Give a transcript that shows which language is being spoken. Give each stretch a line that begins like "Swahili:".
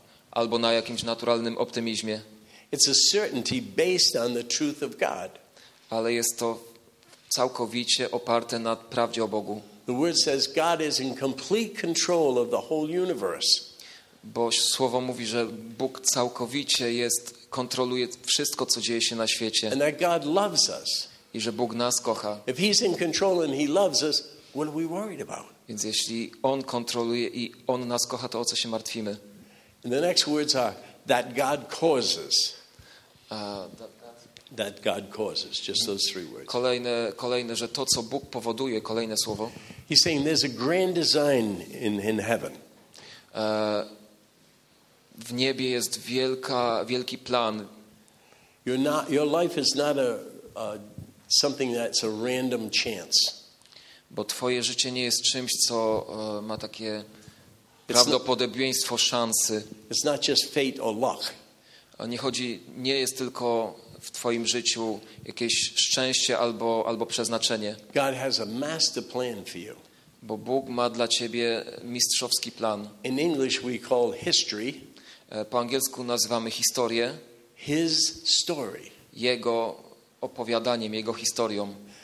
Polish: Albo na jakimś naturalnym optymizmie.
English: It's a certainty based on the truth of God.
Polish: Ale jest to całkowicie oparte na prawdzie o Bogu.
English: The word says God is in complete control of the whole universe.
Polish: Bo słowo mówi, że Bóg całkowicie kontroluje wszystko, co dzieje się na świecie.
English: And that God loves us.
Polish: I że Bóg nas kocha.
English: If he's in control and he loves us, what are we worried about?
Polish: Więc jeśli on kontroluje i on nas kocha, to o co się martwimy?
English: And the next words are that God causes. That God causes, just those three words.
Polish: Kolejne, że to, co Bóg powoduje, kolejne słowo.
English: He's saying there's a grand design in heaven.
Polish: W niebie jest wielki plan.
English: Your life is not a something that's a random chance.
Polish: Bo twoje życie nie jest czymś, co ma takie prawdopodobieństwo szansy.
English: It's not just fate or luck.
Polish: Nie jest tylko w twoim życiu jakieś szczęście albo przeznaczenie.
English: God has a master plan for you.
Polish: Bo Bóg ma dla ciebie mistrzowski plan.
English: In English we call history.
Polish: Po angielsku nazywamy historię.
English: His story.
Polish: Jego opowiadaniem, jego historią.